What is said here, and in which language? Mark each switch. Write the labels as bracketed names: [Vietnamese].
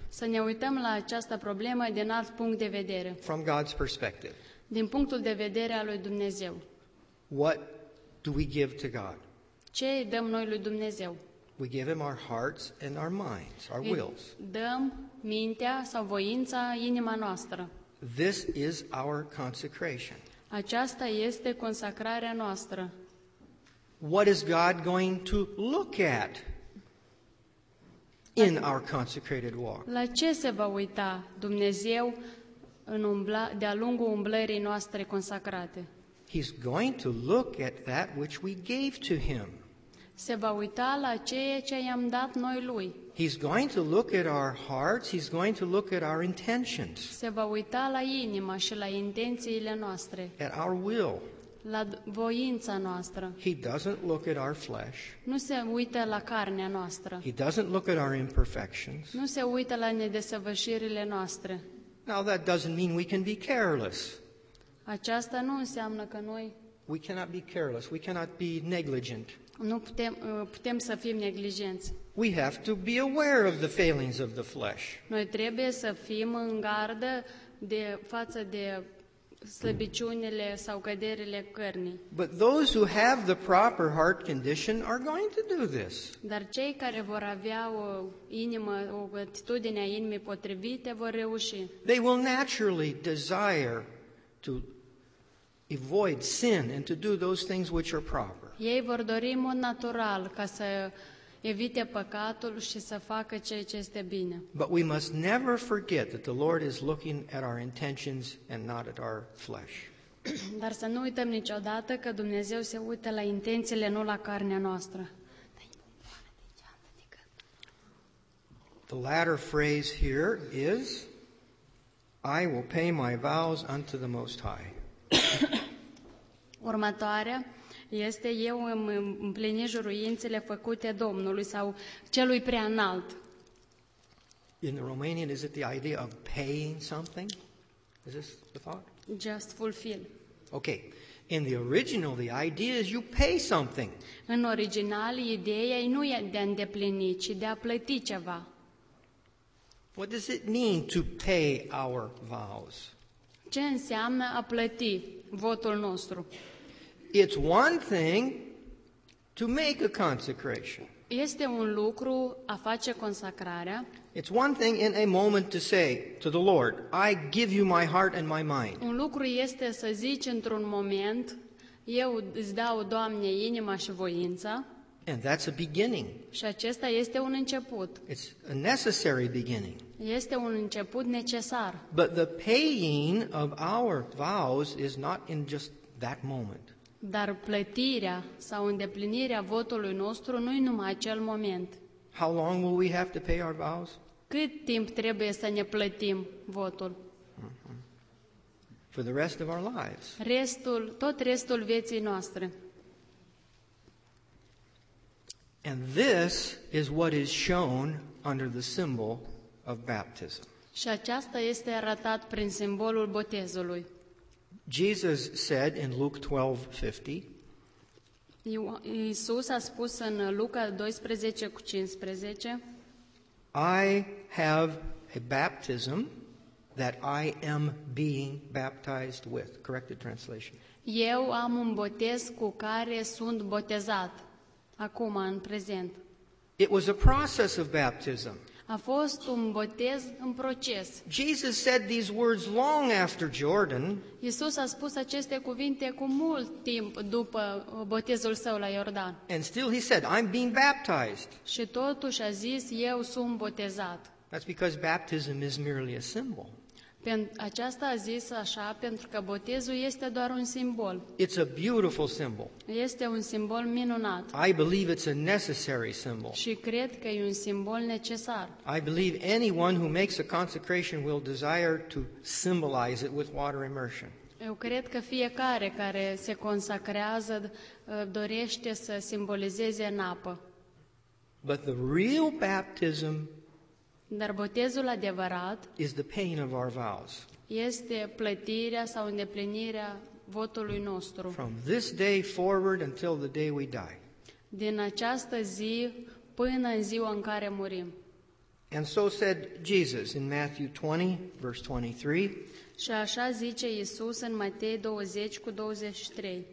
[Romanian] Să ne uităm la această problemă din alt punct de vedere. [English] From God's perspective. [Romanian] Din punctul de vedere al lui Dumnezeu. [English] What do we give to God? [Romanian] Ce dăm noi lui Dumnezeu? [English] We give him our hearts and our minds, our wills. [Romanian] Dăm mintea sau voința, inima noastră. [English] This is our consecration. [Romanian] Aceasta este consacrarea noastră. [English] What is God going to look at in our consecrated walk? [Romanian] La ce se va uita Dumnezeu de-a lungul umblării noastre consacrate? [English] He's going to look at that which we gave to him. [Romanian] Se va uita la ceea ce i-am dat noi lui. [English] He's going to look at our hearts, he's going to look at our intentions. [Romanian] Se va uita la inima și la intențiile noastre. [English] At our will. [Romanian] La voința noastră. [English] He doesn't look at our flesh. [Romanian] Nu se uită la carnea noastră. [English] He doesn't look at our imperfections. [Romanian] Nu se uită la nedesăvârșirile noastre. [English] Now that doesn't mean we can be careless. [Romanian] Aceasta nu înseamnă că noi [English] we cannot be careless. We cannot be negligent. [Romanian] Nu putem, putem să fim neglijenți. [English] We have to be aware of the failings of the flesh. [Romanian] Noi trebuie să fim în gardă de față de slăbiciunile sau căderile cărnii. [English] But those who have the proper heart condition are going to do this. [Romanian] Dar cei care vor avea o inimă, o atitudine a inimii potrivite vor reuși. [English] They will naturally desire to avoid sin and to do those things which are proper. [Romanian] Ei vor dori în mod natural ca să evite păcatul și să facă ceea ce este bine. [English] But we must never forget that the Lord is looking at our intentions and not at our flesh. [Romanian] Dar să nu uităm niciodată că Dumnezeu se uită la intențiile, nu la carnea noastră. [English] The latter phrase here is I will pay my vows unto the Most High. [Romanian] Următoarea este eu îmi împlini juruințele făcute Domnului sau celui prea înalt. [English] In the Romanian, is it the idea of paying something? Is this the thought? Just fulfill. Okay. In the original, the idea is you pay something. [Romanian] În original, ideea nu e de a îndeplini, ci de a plăti ceva. [English] What does it mean to pay our vows? [Romanian] Ce înseamnă a plăti votul nostru? [English] It's one thing to make a consecration. [Romanian] Este un lucru a face consacrarea. [English] It's one thing in a moment to say to the Lord, I give you my heart and my mind. [Romanian] Un lucru este să zici într-un moment, eu îți dau, Doamne, inima și voința. [English] And that's a beginning. [Romanian] Și acesta este un început. [English] It's a necessary beginning. [Romanian] Este un început necesar. [English] But the paying of our vows is not in just that moment. [Romanian] Dar plătirea sau îndeplinirea votului nostru nu e numai acel moment. [English] How long will we have to pay our vows? [Romanian] Cât timp trebuie să ne plătim votul? [English] For the rest of our lives. [Romanian] Restul, tot restul vieții noastre. [English] And this is what is shown under the symbol of baptism. [Romanian] Și aceasta este arătat prin simbolul botezului. [English] Jesus said in Luke 12:50. [Romanian] Iisus a spus în Luca 12:15. [English] I have a baptism that I am being baptized with. Corrected translation. [Romanian] Eu am un botez cu care sunt botezat. Acum, în prezent. [English] It was a process of baptism. [Romanian] A fost un botez în proces. [English] Jesus said these words long after Jordan. [Romanian] Iisus a spus aceste cuvinte cu mult timp după botezul său la Iordan. [English] And still he said, I'm being baptized. [Romanian] Și totuși a zis, eu sunt botezat. [English] That's because baptism is merely a symbol. [Romanian] Aceasta a zis așa pentru că botezul este doar un simbol. [English] It's a beautiful symbol. [Romanian] Este un simbol minunat. [English] I believe it's a necessary symbol. [Romanian] Și cred că e un simbol necesar. [English] I believe anyone who makes a consecration will desire to symbolize it with water immersion. [Romanian] Eu cred că fiecare care se consacrează dorește să simbolizeze în apă. [English] But the real baptism. [Romanian] Dar botezul adevărat [English] is the paying of our vows. [Romanian] Este plătirea sau îndeplinirea votului nostru. [English] From this day forward until the day we die. [Romanian] Din această zi până în ziua în care murim. [English] And so said Jesus in Matthew 20, verse 23. [Romanian] Și așa zice Iisus în Matei 20:23.